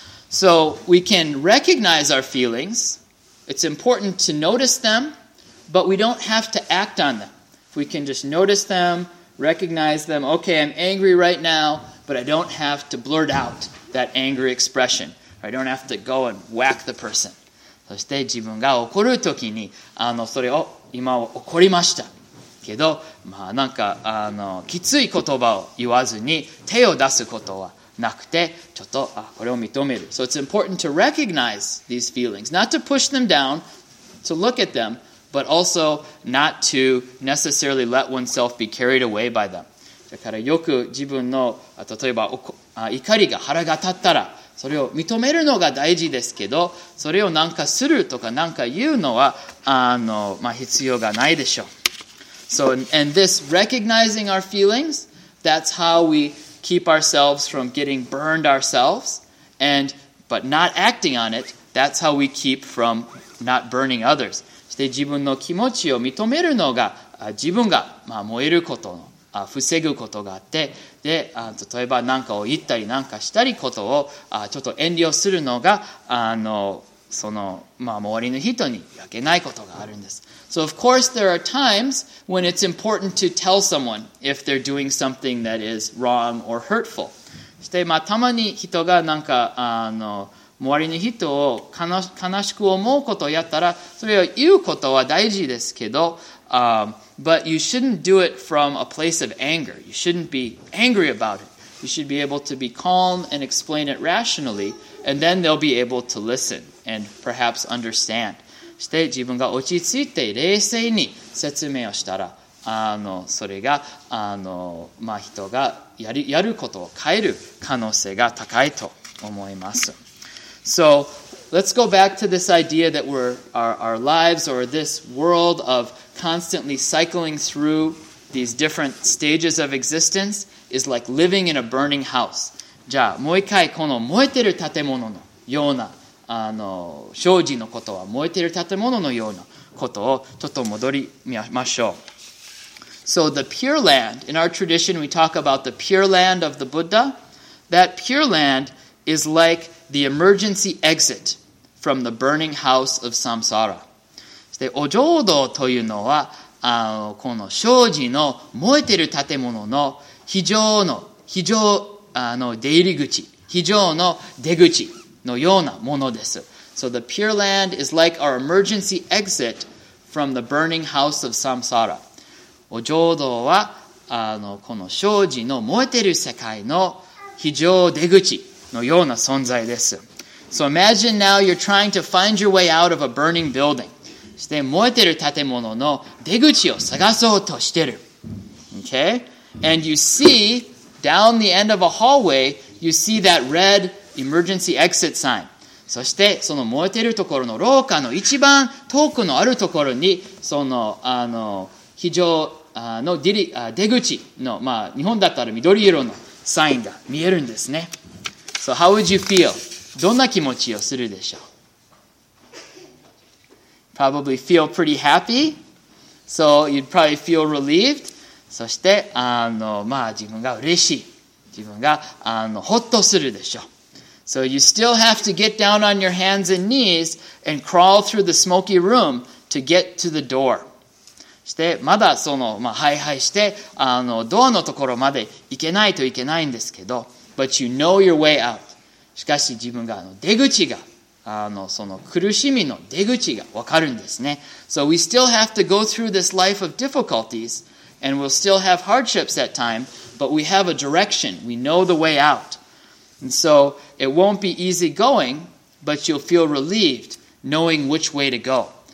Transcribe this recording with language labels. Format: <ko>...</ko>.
<en>So we can recognize our feelings. It's important to notice them, but we don't have to act on them. If we can just notice them, recognize them, okay, I'm angry right now, but I don't have to blurt out that angry expression. I don't have to go and whack the person.</en> <ja>そして自分が怒るときに、それを今は怒りましたけど、まあ、なんかきつい言葉を言わずに手を出すことはなくて、ちょっとこれを認める。</ja> <en>So it's important to recognize these feelings, not to push them down, to look at them, but also not to necessarily let oneself be carried away by them.</en> <ja>だからよく自分の例えば怒りが腹が立ったら、それを認めるのが大事ですけど、それをなんかするとかなんか言うのは必要がないでしょう。</ja> <en>So, and this recognizing our feelings, that's how we keep ourselves from getting burned ourselves, and but not acting on it, that's how we keep from not burning others.</en> <ja>そして自分の気持ちを認めるのが自分が燃えることの防ぐことがあって、で例えば何かを言ったり何かしたりことをちょっと遠慮するのがその周りの人に焼けないことがあるんです。</ja> <en>So of course there are times when it's important to tell someone if they're doing something that is wrong or hurtful.</en> <ja>そして、まあ、たまに人が何か周りの人を悲しく思うことをやったら、それを言うことは大事ですけど、</ja> <en>But you shouldn't do it from a place of anger. You shouldn't be angry about it. You should be able to be calm and explain it rationally, and then they'll be able to listen and perhaps understand.</en> <ja>そして自分が落ち着いて冷静に説明をしたら、それが人がやることを変える可能性が高いと思います。</ja> <en>So, let's go back to this idea that our lives or this world of constantly cycling through these different stages of existence is like living in a burning house.</en> <ja>じゃあもう一回この燃えてる建物のような生じのことは燃えてる建物のようなことをちょっと戻りましょう。</ja> <en>So the pure land, in our tradition we talk about the pure land of the Buddha. That pure land is like the emergency exit from the burning house of samsara.</en> <ja>でお浄土というのはこの生じの燃えてる建物の非常の出入り口、非常の出口のようなものです。</ja> <en>So the pure land is like our emergency exit from the burning house of samsara.</en> <ja>お浄土はこの生じの燃えてる世界の非常出口のような存在です。</ja> <en>So imagine now you're trying to find your way out of a burning building.</en> <ja>そして燃えてる建物の出口を探そうとしてる。</ja> <en>Okay? And you see, down the end of a hallway, you see that red emergency exit sign.</en> <ja>そしてその燃えてるところの廊下の一番遠くのあるところに、その、非常の出口の、まあ、日本だったら緑色のサインが見えるんですね。</ja> <en>So how would you feel?</en> <ja>どんな気持ちをするでしょう?</ja> <en>Probably feel pretty happy. So you'd probably feel relieved.</en> <ja>そして、自分が嬉しい。自分が、ほっとするでしょう。</ja> <en>So you still have to get down on your hands and knees and crawl through the smoky room to get to the door.</en> <ja>そして、まだその、まあ、ハイハイして、ドアのところまで行けないといけないんですけど。</ja> <en>But you know your way out.</en> <ja>しかし、自分が出口が。その苦しみの出口が分かるんですね。</ja> <en>So we still have to go through this life of difficulties and we'll still have hardships at time, but we have a direction. We know the way out. And so it won't be easy going, but you'll feel relieved knowing which way to go.</en>